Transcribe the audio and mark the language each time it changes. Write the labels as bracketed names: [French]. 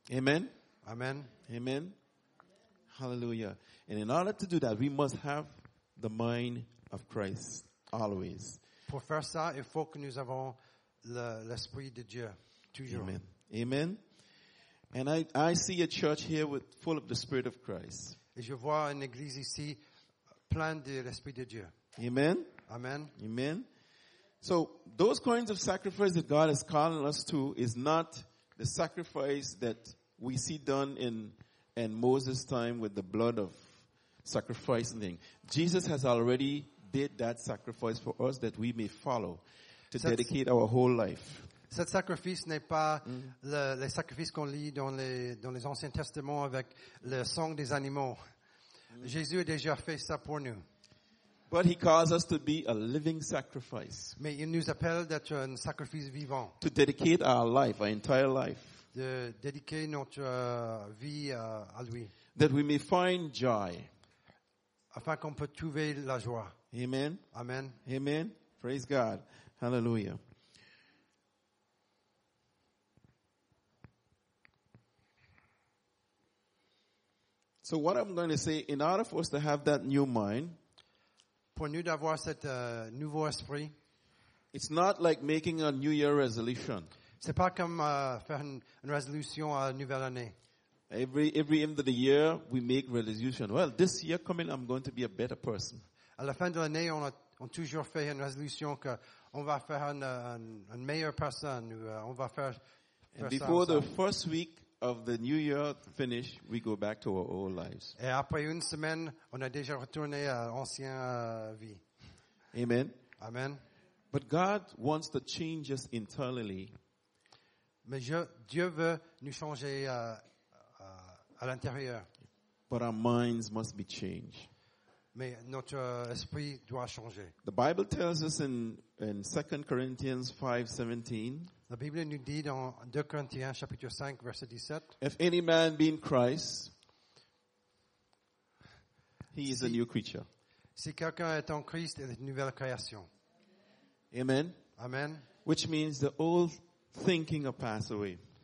[English] Amen. Amen. Amen. Hallelujah. And in order to do that, we must have the mind of Christ always. [French] Pour faire ça, il faut que nous avons l'esprit de Dieu toujours. Amen. Amen. [English] And I see a church here with full of the Spirit of Christ. [French] Et je vois une église ici pleine de l'esprit de Dieu. Amen. Amen. Amen. [English] So those kinds of sacrifice that God is calling us to is not the sacrifice that we see done in Moses' time with the blood of sacrificing. Jesus has already did that sacrifice for us that we may follow to dedicate our whole life. [French] Cet sacrifice n'est pas le sacrifice qu'on lit dans les Anciens Testaments avec le sang des animaux. Jésus a déjà fait ça pour nous. [English] But he calls us to be a living sacrifice. [French] Mais il nous appelle d'être un sacrifice vivant. [English] To dedicate our life, our entire life. [French] De dédier notre vie à lui. [English] That we may find joy. [French] Afin qu'on peut trouver la joie. Amen. Amen. [English] Amen. Praise God. Hallelujah. So what I'm going to say, in order for us to have that new mind, [French] pour nous d'avoir cet nouveau esprit, [English] it's not like making a New Year resolution. [French] C'est pas comme faire une résolution à une nouvelle année. [English] Every end of the year, we make resolution. Well, this year coming, I'm going to be a better person. [French] À la fin de l'année, on a toujours fait une résolution que on va faire une meilleure personne. On va faire. [English] And before the first week of the new year finish, we go back to our old lives. [French] Et après une semaine, on a déjà retourné à l'ancienne vie. Amen. Amen. [English] But God wants to change us internally. [French] Mais Dieu veut nous changer à l'intérieur. [English] But our minds must be changed. [French] Mais notre esprit doit changer. [English] The Bible tells us in 2 Corinthians 5:17. [French] La Bible nous dit dans 2 Corinthiens chapitre 5 verset 17. [English] If any man be in Christ, he is a new creature. [French] Si quelqu'un est en Christ, il est une nouvelle création. Amen. Amen. [English] Which means the old thinking will pass away.